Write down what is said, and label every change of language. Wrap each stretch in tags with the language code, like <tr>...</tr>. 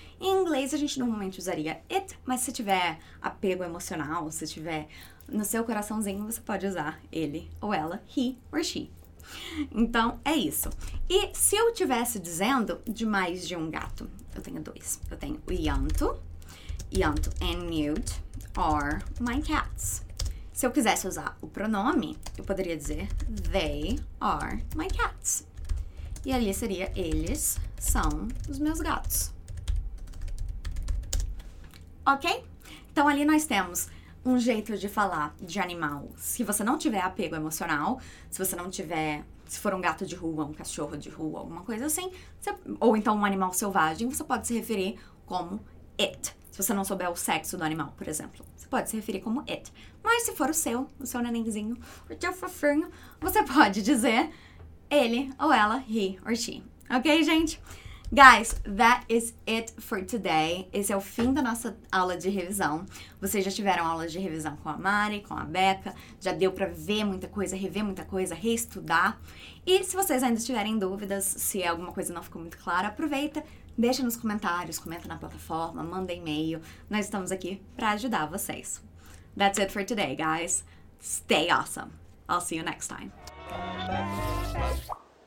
<pt>Em inglês, a gente normalmente usaria it, mas se tiver apego emocional, se tiver no seu coraçãozinho, você pode usar ele ou ela,</pt> <en>he or she.</en> <pt>Então, é isso. E se eu estivesse dizendo de mais de um gato? Eu tenho dois. Eu tenho o Yanto.</pt> <en>Yanto and Newt are my cats.</en> <pt>Se eu quisesse usar o pronome, eu poderia dizer</pt> <en>they are my cats.</en> <pt>E ali seria eles são os meus gatos. Ok? Então, ali nós temos um jeito de falar de animal. Se você não tiver apego emocional, se você não tiver... Se for um gato de rua, um cachorro de rua, alguma coisa assim, ou então um animal selvagem, você pode se referir como it. Se você não souber o sexo do animal, por exemplo, você pode se referir como it. Mas se for o seu nenenzinho, o seu fofinho, você pode dizer ele ou ela,</pt> <en>he or she.</en> <pt>Ok, gente?</pt> <en>Guys, that is it for today.</en> <pt>Esse é o fim da nossa aula de revisão. Vocês já tiveram aulas de revisão com a Mari, com a Beca. Já deu pra ver muita coisa, rever muita coisa, reestudar. E se vocês ainda tiverem dúvidas, se alguma coisa não ficou muito clara, aproveita, deixa nos comentários, comenta na plataforma, manda e-mail. Nós estamos aqui pra ajudar vocês.</pt> <en>That's it for today, guys. Stay awesome. I'll see you next time.</en>